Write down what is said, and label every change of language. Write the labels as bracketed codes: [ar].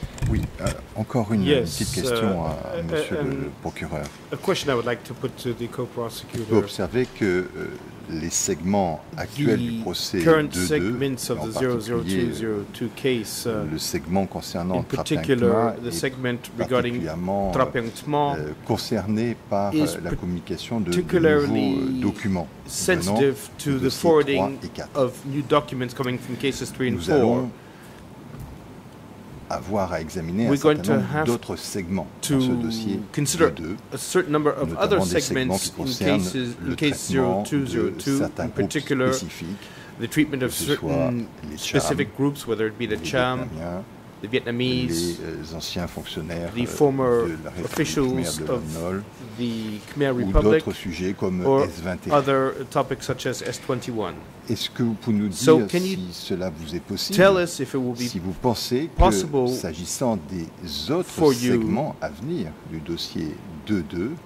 [fr] Oui, encore une petite question à Monsieur le procureur. [en] A question I would like to put to the co-prosecutor. [fr] Vous observez que les segments actuels du procès 2-2, en particulier case, le segment concernant Trapintement est particulièrement concerné par la communication de nouveaux documents [en] sensitive to the forwarding of new documents coming from cases 3 and 4. [fr] Avoir à examiner un certain nombre d'autres segments dans ce dossier [en] consider a certain number of other segments in cases in case 0202 in particular the treatment of certain specific groups whether it be the CHAM, the Vietnamese, [fr] les anciens fonctionnaires [en] the former officials of the Khmer Republic or other topics such as S21. [fr] Est-ce que vous pouvez nous dire si cela vous est possible, si vous pensez que s'agissant des autres segments à venir du dossier 2-2,